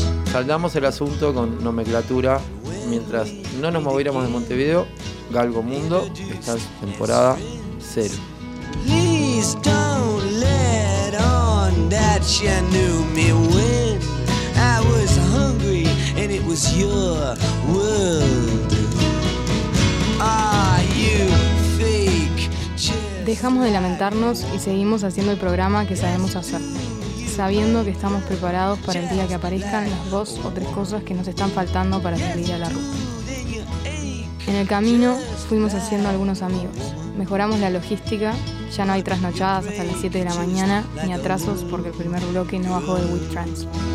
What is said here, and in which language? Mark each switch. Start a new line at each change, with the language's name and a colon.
Spanish: Saldamos el asunto con nomenclatura mientras no nos moviéramos de Montevideo. Galgo Mundo está en temporada cero.
English: Please don't let on that you knew me when I was hungry and it was your world. Are you fake?
Spanish: Dejamos de lamentarnos y seguimos haciendo el programa que sabemos hacer, sabiendo que estamos preparados para el día que aparezcan las dos o tres cosas que nos están faltando para salir a la ruta. En el camino fuimos haciendo algunos amigos, mejoramos la logística, ya no hay trasnochadas hasta las 7 de la mañana ni atrasos porque el primer bloque no bajó de WeTrans.